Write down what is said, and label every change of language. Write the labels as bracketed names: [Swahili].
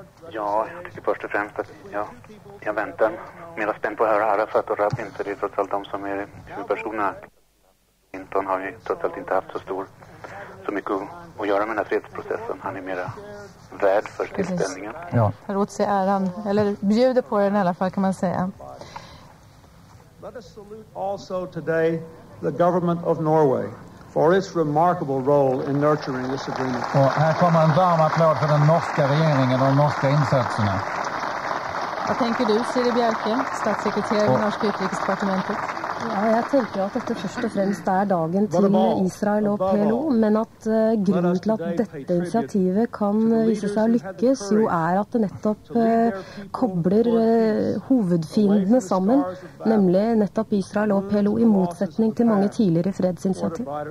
[Swedish] Ja, det först och främst att jag väntar. Mera spänd på att höra här för att rapp inte. Det är trots allt de som är huvudpersonerna. Clinton har ju trots allt inte haft så mycket att göra med den här fredsprocessen. Han är mera värd för tillställningen. Ja. Låt sig äran, eller bjuder på den i alla fall kan man säga. [English] Let us salute also today the government of Norway for its remarkable role in nurturing this agreement. [Swedish] Och här kommer en varm applåd för den norska regeringen och de norska insatserna. Vad tänker du, Siri Bjerke, statssekreterare i norska utrikesdepartementet? Ja, jag tänker att det först och främst är dagen till Israel och PLO, men att grunden till att detta initiativ kan visa sig lyckas jo är att det [Norwegian] nettopp kobler huvudfiendene sammen, [Swedish] nämligen nettopp Israel och PLO i motsättning till många tidigare fredsinitiativ.